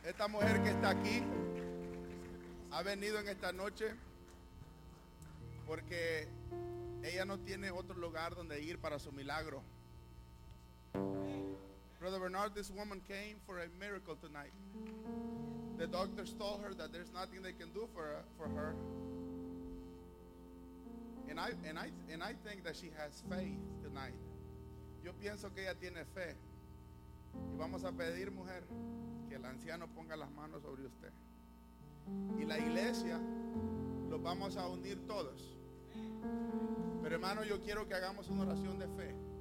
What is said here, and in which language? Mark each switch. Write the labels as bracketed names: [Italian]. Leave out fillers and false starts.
[Spanish] Mujer que está aquí ha venido en esta noche porque ella no tiene otro lugar donde ir para su milagro. [English] Brother Bernard, this woman came for a miracle tonight. The doctors told her that there's nothing they can do for her. And I think that she has faith tonight. [Spanish] Yo pienso que ella tiene fe. Y vamos a pedir, mujer, que el anciano ponga las manos sobre usted. Y la iglesia los vamos a unir todos. Pero hermano, yo quiero que hagamos una oración de fe.